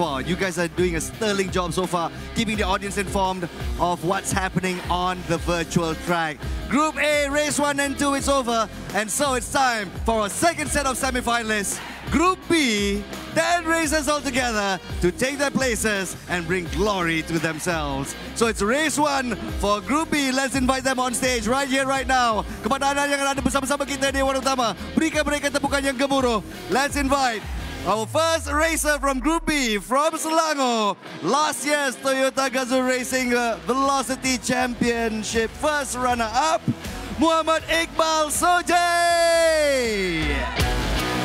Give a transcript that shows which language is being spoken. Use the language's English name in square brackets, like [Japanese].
[English] Wow, you guys are doing a sterling job so far, keeping the audience informed of what's happening on the virtual track. Group A, race 1 and 2, it's over. And so it's time for our second set of semi-finalists. Group B, 10 racers all together to take their places and bring glory to themselves. So it's race 1 for Group B. Let's invite them on stage right here, right now. [Malay] Kepadanan yang ada bersama-sama kita di Warung Utama. Berikan mereka tepukan yang gemuruh. [English] Let's invite our first racer from Group B, from Selangor. Last year's Toyota Gazoo Racing Velocity Championship first runner-up, Muhammad Iqbal Sojay.